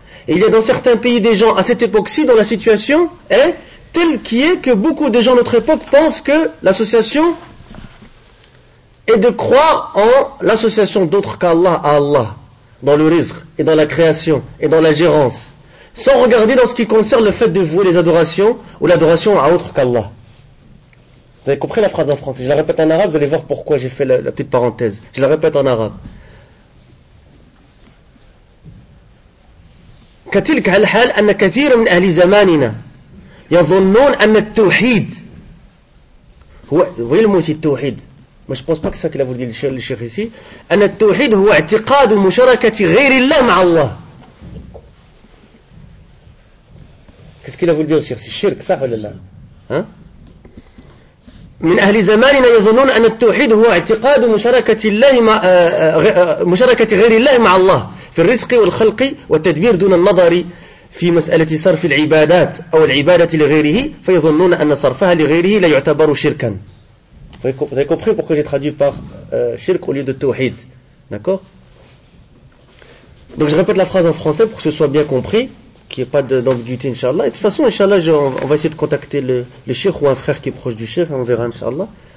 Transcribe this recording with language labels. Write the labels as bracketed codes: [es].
[fr] Et il y a dans certains pays des gens à cette époque-ci dont la situation est telle qui est que beaucoup de gens de notre époque pensent que l'association est de croire en l'association d'autres qu'Allah à Allah, dans le rizq et dans la création et dans la gérance, sans regarder dans ce qui concerne le fait de vouer les adorations ou l'adoration à autre qu'Allah. Vous avez compris la phrase en français? Je la répète en arabe, vous allez voir pourquoi j'ai fait la petite parenthèse. Je la répète en arabe. [ar] كتلك الحال أن كثير من أهل زماننا يظنون أن التوحيد هو ويلموس التوحيد. [fr] Mais je pense pas que c'est ça qu'il a voulu dire le cheikh ici. [ar] أن التوحيد هو اعتقاد مشاركة غير الله مع الله. [fr] Qu'est-ce qu'il a voulu dire le cheikh? C'est shirk, ça ou là? [ar] من أهل زماننا يظنون أن التوحيد هو اعتقاد مشاركة الله مع مشاركة غير الله مع الله في الرزق والخلق والتدبير دون النظر في مسألة صرف العبادات أو العبادة لغيره فيظنون أن صرفها لغيره لا يعتبر شركا. [fr] Vous avez compris pourquoi j'ai traduit par shirk au lieu de tawhid, d'accord? Donc je répète la phrase en français pour que ce soit bien compris. Qu'il n'y ait pas d'ambiguïté, Inch'Allah. Et de toute façon, Inch'Allah, on va essayer de contacter le Cheikh ou un frère qui est proche du Cheikh, on verra, Inch'Allah.